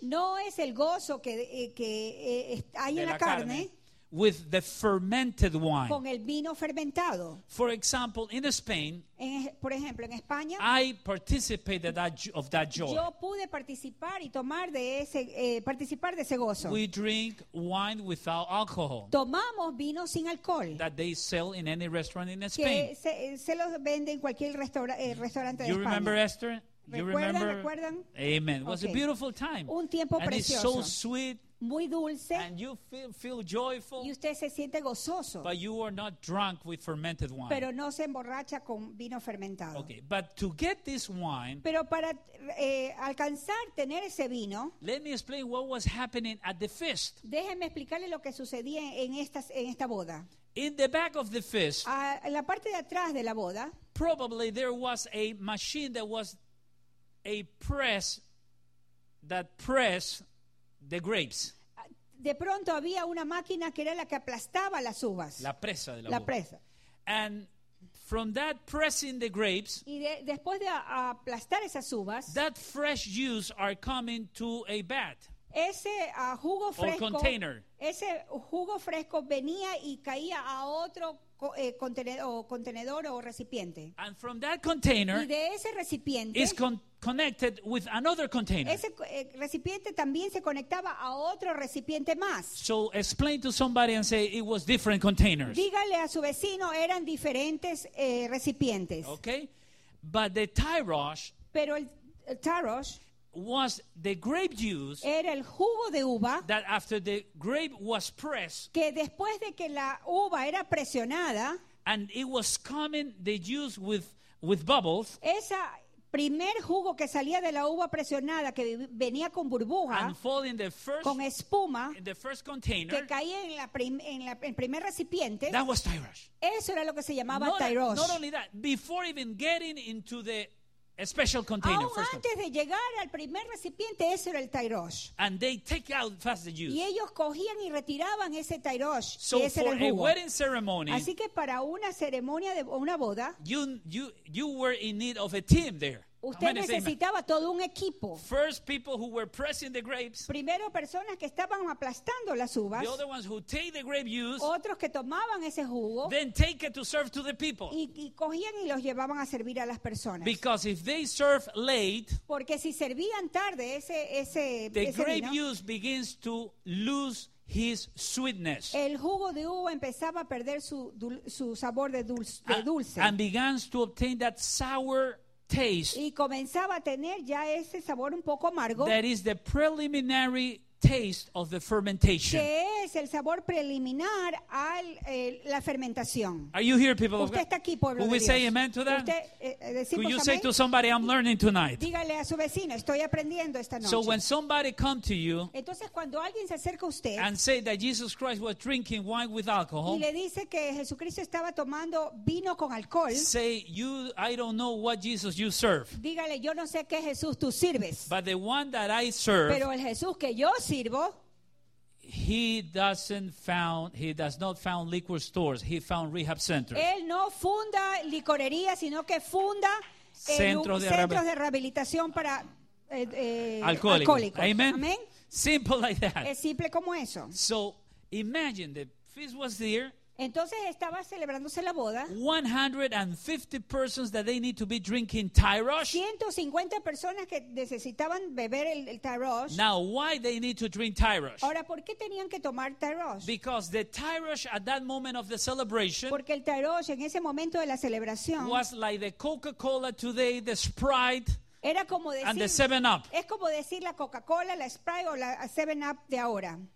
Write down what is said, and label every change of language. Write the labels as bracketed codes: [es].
[es] No es el gozo que hay en la carne. [en] With the fermented wine. [es] Con el vino fermentado. [en] For example, in Spain, [es] por ejemplo, en España, [en] I participated of that joy. [es] Yo pude participar y tomar de ese participar de ese gozo. [en] We drink wine without alcohol. [es] Tomamos vino sin alcohol. [en] That they sell in any restaurant in Spain. [es] Que se los vende en cualquier restaurante de España. [en] You remember Esther? You remember? [es] ¿Recuerdan? [en] Amen. It was okay. A beautiful time. [es] Un tiempo [en] and [es] precioso. [en] And it's so sweet. [es] Muy dulce. [en] And you feel joyful. [es] Y usted se siente gozoso. [en] But you are not drunk with fermented wine. [es] Pero no se emborracha con vino fermentado. [en] Okay, but to get this wine. [es] Pero para alcanzar tener ese vino. [en] Let me explain what was happening at the feast. [es] Déjenme explicarle lo que sucedía en esta boda. [en] In the back of the feast. [es] En la parte de atrás de la boda. [en] Probably there was a machine that was a press that pressed the grapes. [es] De pronto había una máquina que era la que aplastaba las uvas. La presa de la uva. La presa. [en] And from that pressing the grapes. [es] Y después de aplastar esas uvas. [en] That fresh juice are coming to a vat. [es] Ese jugo fresco. [en] Or container. [es] Ese jugo fresco venía y caía a otro contenedor o recipiente. [en] And from that container. [es] Y de ese recipiente. [en] Is connected with another container. [es] Ese recipiente también se conectaba a otro recipiente más. [en] So explain to somebody and say it was different containers. [es] Dígale a su vecino eran diferentes recipientes. [en] Okay, but the tyrosh. [es] Pero el tyrosh. [en] Was the grape juice? [es] Era el jugo de uva. [en] That after the grape was pressed. [es] Que después de que la uva era presionada. [en] And it was coming the juice with bubbles. [es] Esa primer jugo que salía de la uva presionada que venía con burbuja con espuma que caía en el primer recipiente. [en] That was tyrosh. [es] Eso era lo que se llamaba tyrosh. [en] Not only that, before even getting into the special container. [es] Aún [en] first [es] antes de llegar al primer recipiente, ese era el tyrosh. [en] And they take out fast the juice. [es] Y ellos cogían y retiraban ese tyrosh. [en] So [es] que ese [en] for [es] era el jugo. [en] A wedding ceremony. [es] Así que para una ceremonia de una boda. [en] You were in need of a team there. [es] Usted necesitaba todo un equipo. [en] First people who were pressing the grapes. [es] Primero personas que estaban aplastando las uvas. [en] The other ones who take the grape juice. [es] Otros que tomaban ese jugo. [en] Then take it to serve to the people. [es] Y cogían y los llevaban a servir a las personas. [en] Because if they serve late. [es] Porque si servían tarde ese [en] the [es] ese [en] grape [es] vino, [en] juice begins to lose his sweetness. [es] El jugo de uva empezaba a perder su sabor de dulce. [en] And begins to obtain that sour taste. [es] Y comenzaba a tener ya ese sabor un poco amargo. [en] That is the preliminary taste of the fermentation. [es] Que es el sabor preliminar a la fermentación. [en] Are you here, people? [es] Usted está aquí, pueblo de Dios. [en] Will we say amen to that? Could you say to somebody, I'm learning tonight? [es] Dígale a su vecino, estoy aprendiendo esta noche. [en] So when somebody comes to you, [es] entonces cuando alguien se acerca a usted, [en] and say that Jesus Christ was drinking wine with alcohol, [es] y le dice que Jesucristo estaba tomando vino con alcohol, [en] say you, I don't know what Jesus you serve. [es] Dígale, yo no sé qué Jesús tú sirves. [en] But the one that I serve, [es] pero el Jesús que yo sirvo, [en] he does not found liquor stores, he found rehab centers. [es] Él no funda licorería, sino que funda centros de rehabilitación para alcohólicos. [en] Amen. Amen. Simple like that. [es] Es simple como eso. [en] So imagine the feast was there. [es] Entonces estaba celebrándose la boda. [en] 150 persons that they need to be drinking tyrosh. [es] 150 personas que necesitaban beber el tyrosh. [en] Now why they need to drink tyrosh? [es] Ahora, ¿por qué tenían que tomar tyrosh? [en] Because the tyrosh at that moment of the celebration. [es] Porque el tyrosh en ese momento de la celebración [en] was like the Coca-Cola today, the Sprite. [es] Era como decir, [en] and the 7-Up. [es] Es como decir la Coca-Cola, la Sprite o la 7-Up de ahora.